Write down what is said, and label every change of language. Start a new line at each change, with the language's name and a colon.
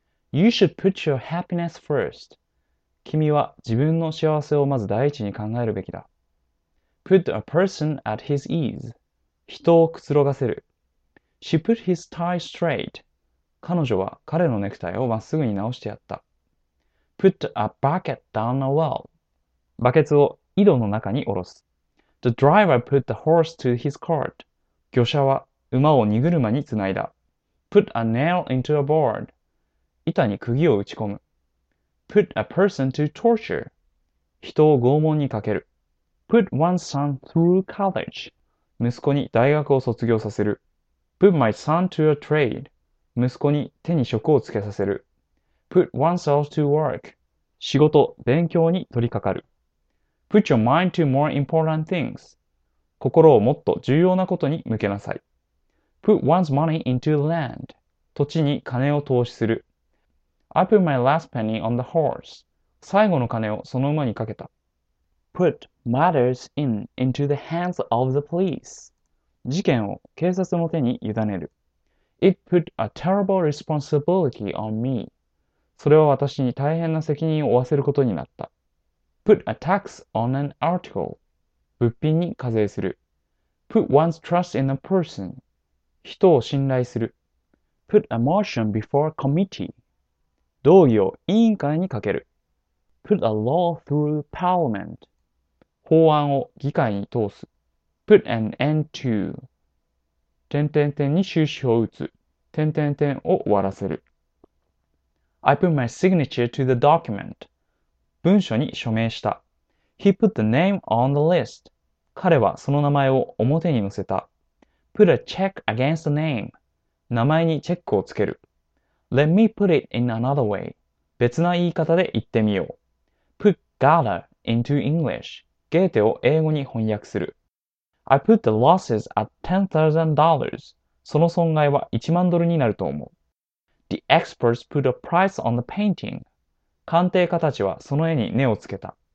English: You should put your happiness first.
Japanese: 君は自分の幸せをまず第一に考えるべきだ。
English: Put a person at his ease.
Japanese: 人をくつろがせる。
English: She put his tie straight.
Japanese: 彼女は彼のネクタイをまっすぐに直してやった。
English: Put a bucket down a well.
Japanese: バケツを井戸の中に下ろす。
English: The driver put the horse to his cart.
Japanese: 魚車は馬を荷車につないだ。
English: Put a nail into a board.
Japanese: 板に釘を打ち込む。
English: Put a person to torture.
Japanese: 人を拷問にかける。
English: Put one's son through college.
Japanese: 息子に大学を卒業させる。
English: Put my son to a trade.
Japanese: 息子に手に職をつけさせる。
English: Put oneself to work.
Japanese: 仕事、勉強に取りかかる。
English: Put your mind to more important things.
Japanese: 心をもっと重要なことに向けなさい。
English: Put one's money into land.
Japanese: 土地に金を投資する。
English: I put my last penny on the horse.
Japanese: 最後の金をその馬にかけた。
English: Put matters in into the hands of the police.
Japanese: 事件を警察の手に委ねる。
English: It put a terrible responsibility on me.
Japanese: それは私に大変な責任を負わせることになった。
English: Put a tax on an article.
Japanese: 物品に課税する。
English: Put one's trust in a person.
Japanese: 人を信頼する。
English: Put a motion before a committee.
Japanese: 動議を委員会にかける。
English: Put a law through parliament.
Japanese: 法案を議会に通す。
English: Put an end to
Japanese: 点点点に終止符を打つ。点点点を終わらせる。
English: I put my signature to the document.
Japanese: 文書に署名した。
English: He put the name on the list.
Japanese: 彼はその名前を表に載せた。
English: Put a check against the name.
Japanese: 名前にチェックをつける。
English: Let me put it in another way.
Japanese: 別な言い方で言ってみよう。
English: Put Goethe into English.
Japanese: ゲーテを英語に翻訳する。
English: I put the losses at $10,000.
Japanese: その損害は1万ドルになると思う。
English: The experts put a price on the painting.
Japanese: 鑑定家たちはその絵に値をつけた。